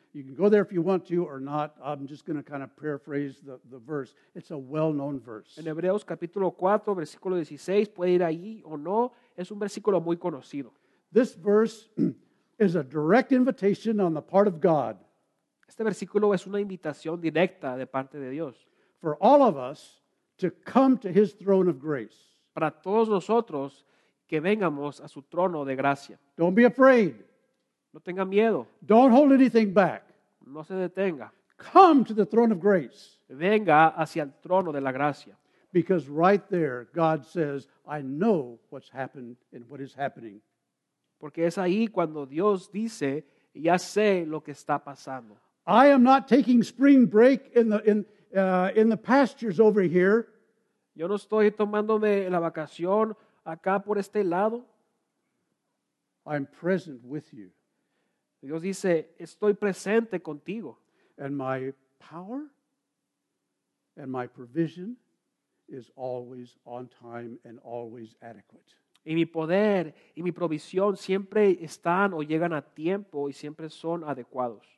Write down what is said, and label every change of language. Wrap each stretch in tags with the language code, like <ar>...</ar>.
<en>You can go there if you want to or not. I'm just going to kind of paraphrase the verse. It's a well-known verse.</en> <es>En Hebreos capítulo 4, versículo 16, puede ir allí o no. Es un versículo muy conocido.</es> <en>This verse is a direct invitation on the part of God.</en> <es>Este versículo es una invitación directa de parte de Dios.</es> <en>For all of us to come to His throne of grace.</en> <es>Para todos nosotros que vengamos a su trono de gracia.</es> <en>Don't be afraid.</en> <es>No tenga miedo.</es> <en>Don't hold anything back.</en> <es>No se detenga.</es> <en>Come to the throne of grace.</en> <es>Venga hacia el trono de la gracia.</es> <en>Because right there, God says, I know what's happened and what is happening.</en> <es>Porque es ahí cuando Dios dice, ya sé lo que está pasando.</es> <en>I am not taking spring break in the pastures over here.</en> <es>Yo no estoy tomándome la vacación acá por este lado.</es> <en>I'm present with you.</en> <es>Dios dice, estoy presente contigo.</es> <en>And my power and my provision is always on time and always adequate.</en> <es>Y mi poder y mi provisión siempre están o llegan a tiempo y siempre son adecuados.</es>